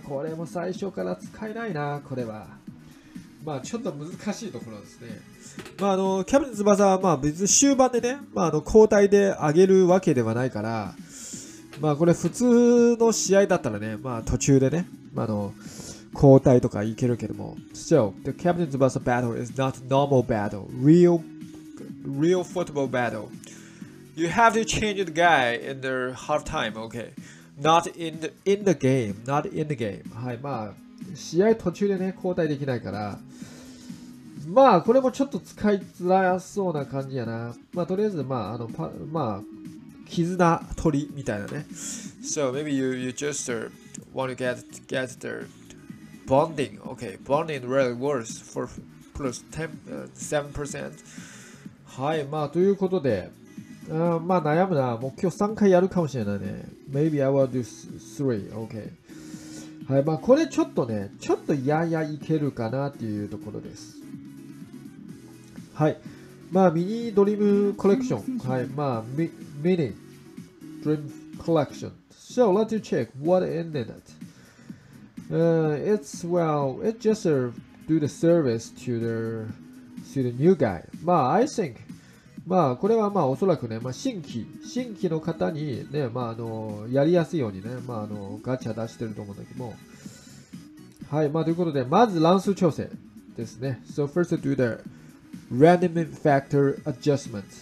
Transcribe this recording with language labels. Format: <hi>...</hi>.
<ja>これも最初から使えないな、これは。まあ、ちょっと難しいところですね。まあ、あのキャプテン翼はまあ別に終盤でね、まあ、あの交代で上げるわけではないから、まあ、これ普通の試合だったらね、まあ、途中でね、まあ、あの交代とかいけるけども。</ja> <en>So, the Captain 翼 battle is not normal battle. Real football battle. You have to change the guy in the half time, okay? Not in the, in the game. Not in the game.</en> <ja>はい、まあ試合途中でね交代できないから、まあこれもちょっと使いづらそうな感じやな。まあとりあえずまああのパまあ絆取りみたいなね。</ja> <en>So maybe you just want to get the bonding. Okay, bonding really works for plus 7%.</en> <ja>はい、まあということで。まあ悩むな。もう今日3回やるかもしれないね。</ja> <en>Maybe I will do three. Okay.</en> <ja>はい。まあこれちょっとね、ちょっとややいけるかなっていうところです。はい。まあミニドリームコレクション。はい。まあミニドリームコレクション。</ja> <en>So let you check what in it. It's well, it just do the service to the new guy. まあ I think.</en> <ja>まあこれはまあおそらくね、まあ新規の方にね、まああのやりやすいようにね、まああのガチャ出してると思うんだけども、はい、まあということでまず乱数調整ですね。</ja> <en>So first do the random factor adjustment.</en>